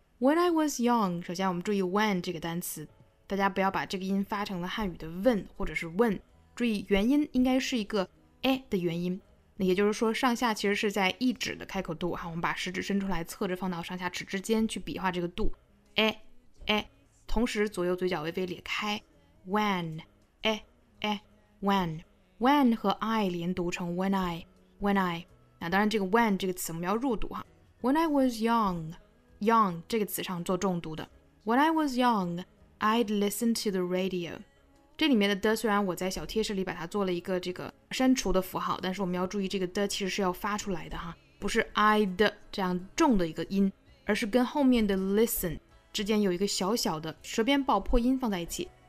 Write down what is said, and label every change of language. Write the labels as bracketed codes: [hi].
[en] When I was young, [zh] 首先我们注意 when 这个单词，大家不要把这个音发成了汉语的问或者是问，注意元音应该是一个 a 的元音，那也就是说上下其实是在一指的开口度，我们把食指伸出来侧着放到上下指之间去比划这个度 a, a, 同时左右嘴角微微裂开 when, a, a, when, when 和 I 连读成 when I, when I, 那当然这个 when 这个词我们要入读哈。 [en] When I was young, [zh] young 这个词上做重读的。 [en] When I was young,I'd listen to the radio. [zh] 这里面的的虽然我在小贴士里把它做了一个这个删除的符号，但是我们要注意这个的其实是要发出来的哈，不是 I'd 这样重的一个音，而是跟后面的 listen 之间有一个小小的舌边爆破音放在一起。